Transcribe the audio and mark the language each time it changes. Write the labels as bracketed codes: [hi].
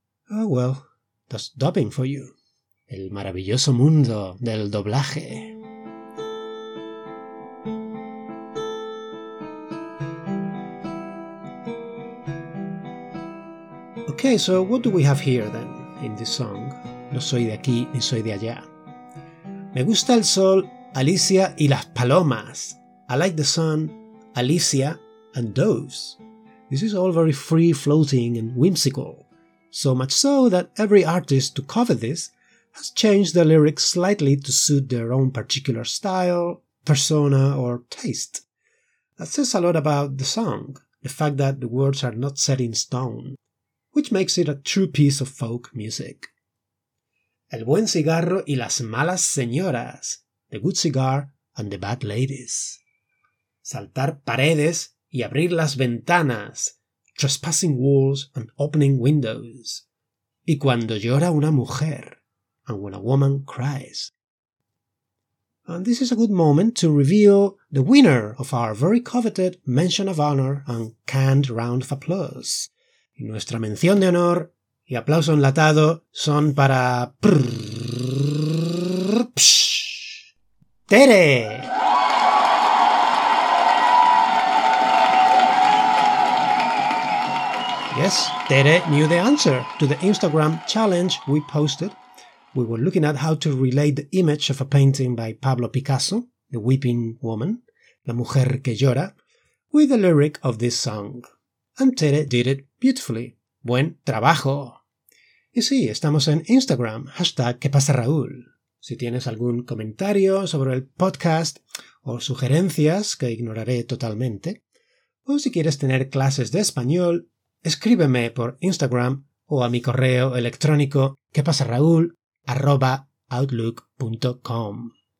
[en] Oh well, that's dubbing for you. [es] El maravilloso mundo del doblaje. [en] Okay, so what do we have here then, in this song? [es] No soy de aquí ni soy de allá. Me gusta el sol, Alicia y las palomas. [en] I like the sun, Alicia and doves. This is all very free, floating and whimsical. So much so that every artist to cover this has changed the lyrics slightly to suit their own particular style, persona or taste. That says a lot about the song, the fact that the words are not set in stone, which makes it a true piece of folk music. [es] El buen cigarro y las malas señoras, [en] the good cigar and the bad ladies. [es] Saltar paredes y abrir las ventanas, [en] trespassing walls and opening windows. [es] Y cuando llora una mujer, [en] and when a woman cries. And this is a good moment to reveal the winner of our very coveted mention of honor and canned round of applause. [es] Y nuestra mención de honor y aplauso enlatado son para... ¡Tere! [en] Yes, Tere knew the answer to the Instagram challenge we posted. We were looking at how to relate the image of a painting by Pablo Picasso, The Weeping Woman, La Mujer que Llora, with the lyric of this song. And Tere did it beautifully. [es] ¡Buen trabajo! Y sí, estamos en Instagram, hashtag ¿Qué pasa, Raúl? Si tienes algún comentario sobre el podcast o sugerencias que ignoraré totalmente, o si quieres tener clases de español, escríbeme por Instagram o a mi correo electrónico quepasaraul@outlook.com.